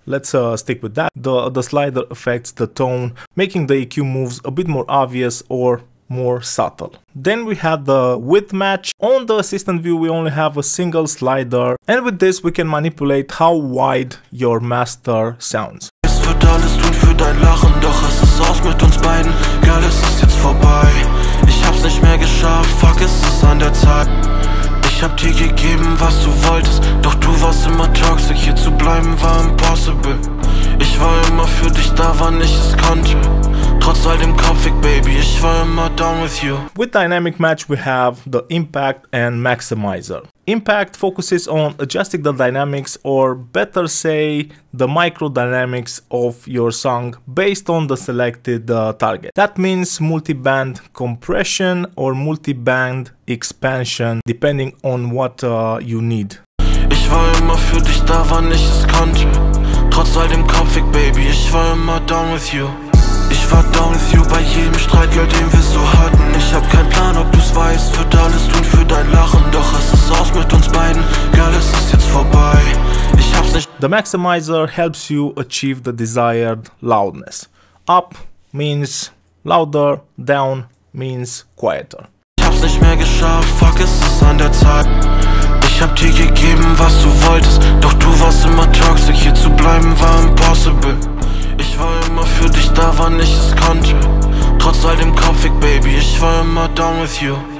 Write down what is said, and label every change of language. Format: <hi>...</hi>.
<en>Let's stick with that. The slider affects the tone, making the EQ moves a bit more obvious or more subtle. Then we have the width match. On the assistant view, we only have a single slider, and with this we can manipulate how wide your master sounds.</en> <de>Es wird alles tun für dein Lachen, doch es ist aus mit uns beiden, Girl, es ist jetzt vorbei. Ich hab's nicht mehr geschafft, fuck, es ist an der Zeit. Ich hab dir gegeben, was du wolltest, doch du warst immer toxic, hier zu bleiben war impossible. Ich war immer für dich da, wann ich es konnte. Trotz all dem Konflikt, baby, ich war immer</de> <en>down with you. With Dynamic Match we have the Impact and Maximizer. Impact focuses on adjusting the dynamics, or better say, the microdynamics of your song based on the selected target. That means multiband compression or multiband expansion, depending on what you need.</en> <de>Ich war immer für dich da, wann ich es konnte. Trotz all dem Konflikt, baby, ich war immer</de> <en>down with you.</en> <de>Ich war</de> <en>down with you</en> <de>bei jedem Streit, girl, den wir so hatten. Ich hab keinen Plan, ob du's weißt, würd alles tun für dein Lachen. Doch es ist aus mit uns beiden, girl, es ist jetzt vorbei. Ich hab's nicht.</de> <en>The Maximizer helps you achieve the desired loudness. Up means louder, down means quieter.</en> <de>Ich hab's nicht mehr geschafft, fuck, es ist an der Zeit. Ich hab dir gegeben, was du wolltest, doch du warst immer toxic, hier zu bleiben war impossible. Ich war immer für dich da, wann ich es konnte. Trotz all dem Konflikt, baby, ich war immer</de> <en>down with you.</en>